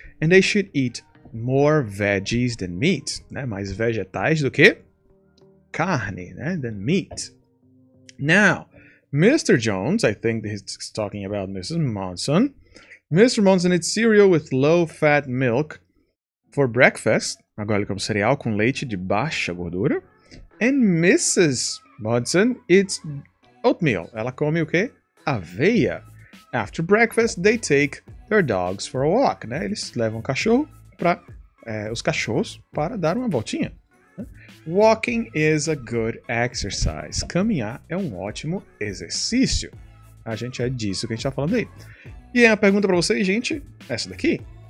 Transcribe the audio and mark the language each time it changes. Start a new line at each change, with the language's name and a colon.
English: And they should eat more veggies than meat, né?
Portuguese: Mais vegetais do que carne, né?
English: Than meat. Now, Mr. Jones, I think he's talking about Mrs. Monson. Mr. Monson eats cereal with low-fat milk for breakfast.
Portuguese: Agora ele come cereal com leite de baixa gordura.
English: And Mrs. Monson eats oatmeal.
Portuguese: Ela come o quê? Aveia.
English: After breakfast, they take their dogs for a walk. Né?
Portuguese: Eles levam cachorro para os cachorros para dar uma voltinha.
English: Walking is a good exercise.
Portuguese: Caminhar é um ótimo exercício. A gente é disso que a gente está falando aí. E a pergunta para vocês, gente, essa daqui.